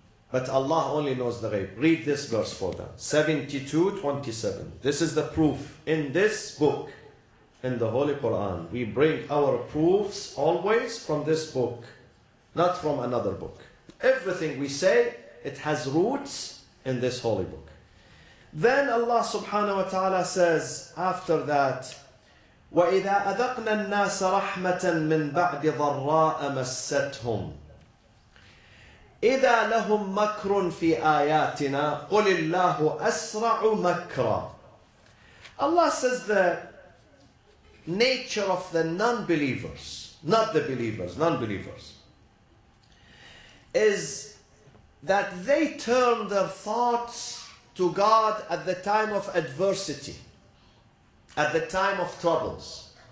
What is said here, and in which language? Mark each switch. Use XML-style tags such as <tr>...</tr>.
<en>But Allah only knows the ghaib. Read this verse for them. 72:27. This is the proof in this book, in the Holy Quran. We bring our proofs always from this book, not from another book. Everything we say, it has roots in this holy book. Then Allah subhanahu wa ta'ala says after that,</en> <ar>وَإِذَا أَذَقْنَا النَّاسَ رَحْمَةً مِنْ بَعْدِ ضَرَّاءَ مَسَّتْهُمْ إِذَا لَهُمْ مَكْرٌ فِي آيَاتِنَا قُلِ اللَّهُ أَسْرَعُ مَكْرًا.</ar> <en>Allah says the nature of the non-believers, not the believers, non-believers, is that they turn their thoughts to God at the time of adversity, at the time of troubles.</en>